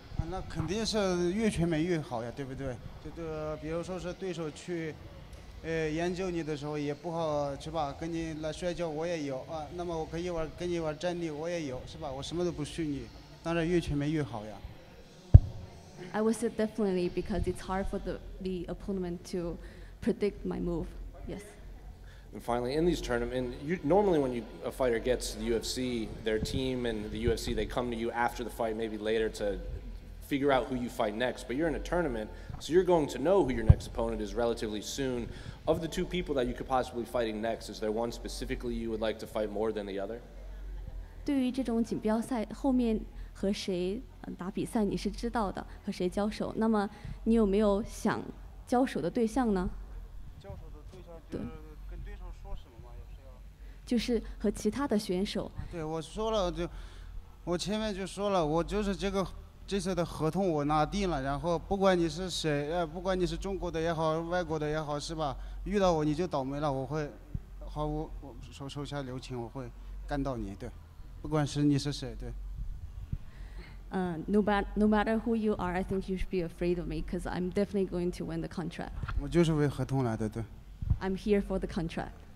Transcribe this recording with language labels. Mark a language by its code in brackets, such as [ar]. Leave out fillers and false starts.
[zh] 那肯定是越全面越好呀对不对就对比如说是对手去研究你的时候也不好是吧跟你来摔跤我也有那么我可以玩跟你玩站立我也有是吧我什么都不虚拟当然越全面越好呀 [en] I would say definitely because it's hard for the opponent to predict my move. Yes. And finally, in these tournaments, normally when a fighter gets to the UFC, their team and the UFC, they come to you after the fight, maybe later to figure out who you fight next. But you're in a tournament, so you're going to know who your next opponent is relatively soon. Of the two people that you could possibly be fighting next, is there one specifically you would like to fight more than the other? [zh] 对于这种锦标赛后面和谁打比赛你是知道的和谁交手那么你有没有想交手的对象呢交手的对象就是跟对手说什么吗就是和其他的选手对我说了就我前面就说了我就是这次的合同我拿定了然后不管你是谁不管你是中国的也好外国的也好是吧遇到我你就倒霉了我会毫无我手下留情我会干到你对不管是你是谁对 [en] No matter who you are, I think you should be afraid of me because I'm definitely going to win the contract. [zh] 我就是为合同来的，对。 [en] I'm here for the contract.